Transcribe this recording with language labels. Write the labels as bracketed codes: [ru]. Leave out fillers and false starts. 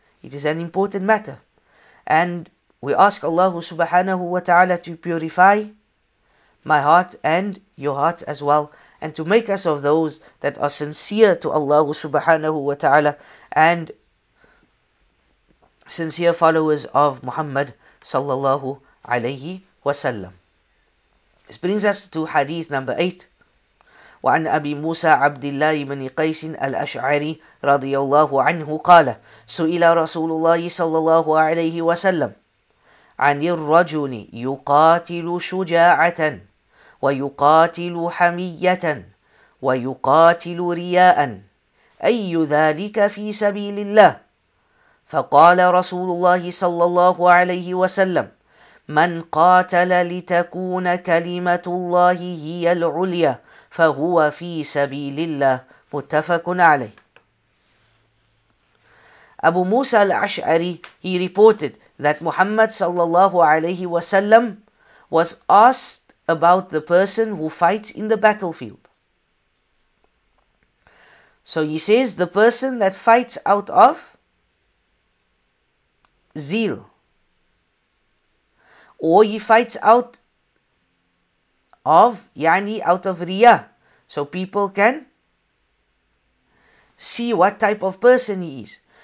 [en] It is an important matter. And we ask Allah subhanahu wa ta'ala to purify my heart and your hearts as well, and to make us of those that are sincere to Allah subhanahu wa ta'ala and sincere followers of Muhammad sallallahu alayhi wa sallam. This brings us to hadith number 8. [ar] وعن أبي موسى عبد الله بن قيس الأشعري رضي الله عنه قال سئل رسول الله صلى الله عليه وسلم عن الرجل يقاتل شجاعة ويقاتل حمية ويقاتل رياء أي ذلك في سبيل الله؟ فقال رسول الله صلى الله عليه وسلم من قاتل لتكون كلمة الله هي العليا فهو في سبيل الله متفق عليه. [en] Abu Musa al-Ash'ari, he reported that Muhammad sallallahu alayhi wa sallam was asked about the person who fights in the battlefield. So he says the person that fights out of zeal, or he fights out of, yani out of riya, so people can see what type of person he is.